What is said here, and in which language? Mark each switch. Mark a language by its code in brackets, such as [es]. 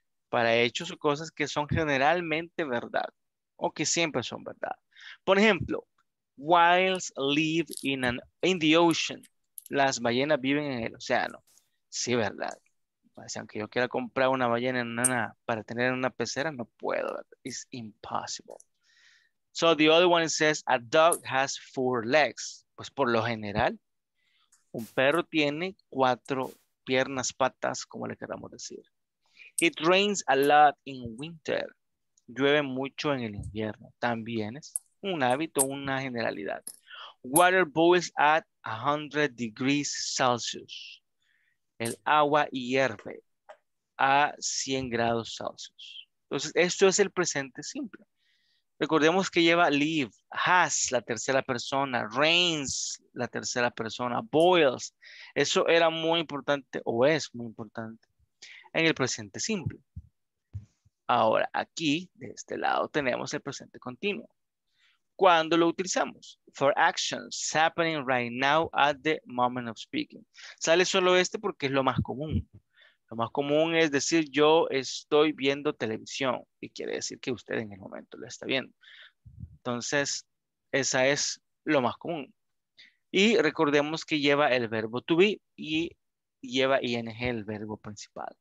[es] Para hechos o cosas que son generalmente verdad. O que siempre son verdad. Por ejemplo, [en] whales live in the ocean. [es] Las ballenas viven en el océano. Sí, verdad. Pues, aunque yo quiera comprar una ballena en una, para tener en una pecera, no puedo. [en] It's impossible. So the other one says, a dog has four legs. [es] Pues por lo general, un perro tiene cuatro piernas, patas, como le queramos decir. [en] It rains a lot in winter. [es] Llueve mucho en el invierno. También es un hábito, una generalidad. [en] Water boils at 100 degrees Celsius. [es] El agua hierve a 100 grados Celsius. Entonces, esto es el presente simple. Recordemos que lleva live, has, la tercera persona, rains, la tercera persona, boils. Eso era muy importante o es muy importante en el presente simple. Ahora, aquí, de este lado, tenemos el presente continuo. ¿Cuándo lo utilizamos? [en] For actions happening right now at the moment of speaking. [es] Sale solo este porque es lo más común. Lo más común es decir, yo estoy viendo televisión. Y quiere decir que usted en el momento lo está viendo. Entonces, esa es lo más común. Y recordemos que lleva el verbo to be y lleva ing, el verbo principal.